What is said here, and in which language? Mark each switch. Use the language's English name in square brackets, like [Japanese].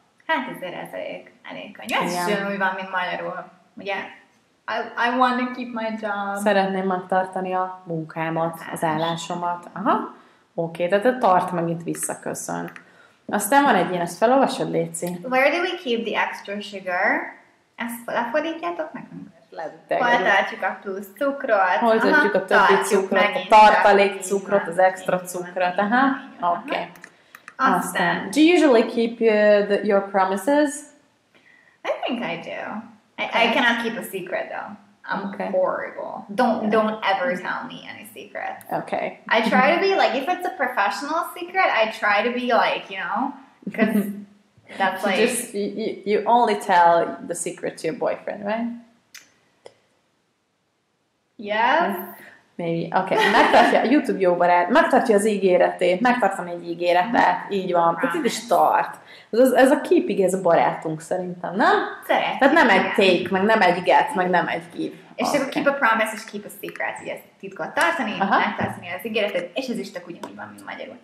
[Hungarian] Hát ezért ez elég könnyű. Ez úgy van, mint magyarul. Ugye? [English] I want to keep my job. [Hungarian] Szeretném megtartani a munkámat, az állásomat. Aha, oké, okay. Tehát tart meg itt visszaköszön. Aztán van egy ilyen, ezt felolvasod, Léci? [English] Where do we keep the extra sugar? [Hungarian] Ezt lefordítjátok nekünk? Hol tartjuk a plusz cukrot? Hol tartjuk a többi cukrot, a tartalék cukrot, az extra cukrot, aha, oké. [English] Okay. [Hungarian] Aztán, [English] do you usually keep your promises? I think I do. I cannot keep a secret though. I'm okay. Horrible. Don't ever tell me any secrets. Okay. I try to be like, if it's a professional secret, I try to be like, you know, because that's like... Just, you only tell the secret to your boyfriend, right? Yes. Maybe. Okay. [Hungarian] Megtartja a YouTube jó barát, megtartja az ígéretét, megtartani egy ígéretet, így van. Tehát itt is tart. Ez a keeping, ez a barátunk szerintem, nem? Szeretjük. Tehát nem egy take, meg nem egy get, meg nem egy give. És akkor [English] keep a promise, [Hungarian] és [English] keep a secret, [Hungarian] így ezt titkot tartani, megtartani az ígéretet, és ez is csak ugyanúgy van, mint magyarul.